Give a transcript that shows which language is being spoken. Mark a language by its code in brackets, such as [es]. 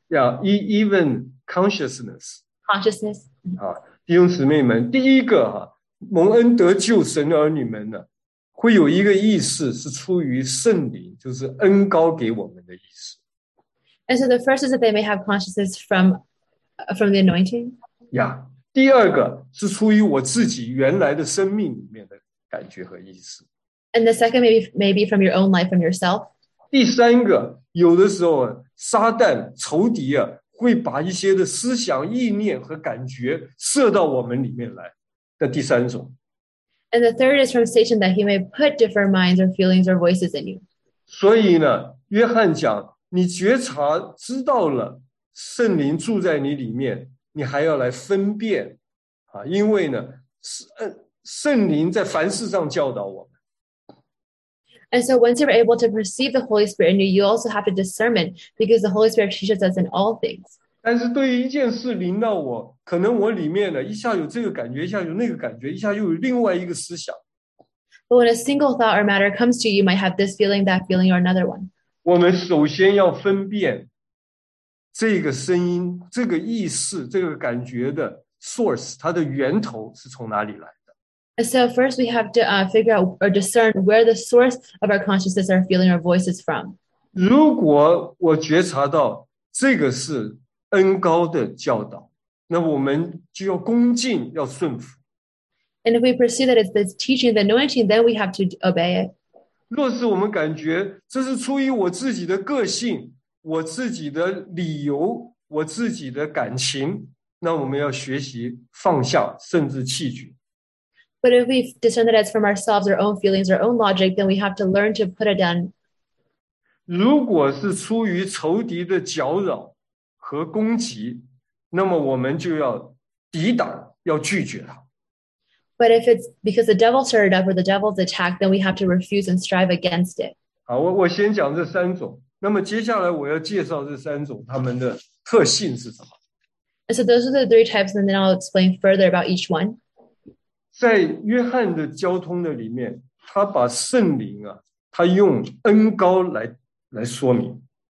[en] Yeah, even consciousness. Consciousness. [zh] 弟兄姊妹们，第一个蒙恩得救神的儿女们呢，会有一个意识是出于圣灵，就是恩膏给我们的意识。 [en] And so the first is that they may have consciousness from the anointing. [zh] Yeah, 第二个是出于我自己原来的生命里面的感觉和意识。 [en] And the second may be from your own life, from yourself. [zh] 第三个，有的时候撒旦仇敌啊，会把一些的思想、意念和感觉射到我们里面来的第三种。 [en] And the third is from Satan that he may put different minds or feelings or voices in you. [zh] 所以呢，约翰讲，你觉察知道了圣灵住在你里面，你还要来分辨因为呢，圣灵在凡事上教导我。 [en] And so once you're able to perceive the Holy Spirit in you, you also have to discernment because the Holy Spirit teaches us in all things. [zh] 但是对于一件事临到我，可能我里面呢，一下有这个感觉，一下有那个感觉，一下又有另外一个思想。 [en] But when a single thought or matter comes to you, you might have this feeling, that feeling, or another one. [zh] 我们首先要分辨这个声音，这个意识，这个感觉的 source, 它的源头是从哪里来。 [en] So first we have to figure out or discern where the source of our consciousness or feeling or voice is from. [zh] 如果我觉察到这个是恩膏的教导，那我们就要恭敬，要顺服。 [en] And if we perceive that it's the teaching, the anointing, then we have to obey it. [zh] 若是我们感觉这是出于我自己的个性，我自己的理由，我自己的感情，那我们要学习放下，甚至弃绝。 [en] But if we discern that it's from ourselves, our own feelings, our own logic, then we have to learn to put it down. [zh] 如果是出于仇敌的搅扰和攻击，那么我们就要抵挡，要拒绝它。 [en] But if it's because the devil stirred up or the devil's attack, then we have to refuse and strive against it. [zh] 我先讲这三种，那么接下来我要介绍这三种它们的特性是什么。 [en] And so those are the three types, and then I'll explain further about each one. [zh] 在约翰的交通的里面，他把圣灵他用恩膏 来说明。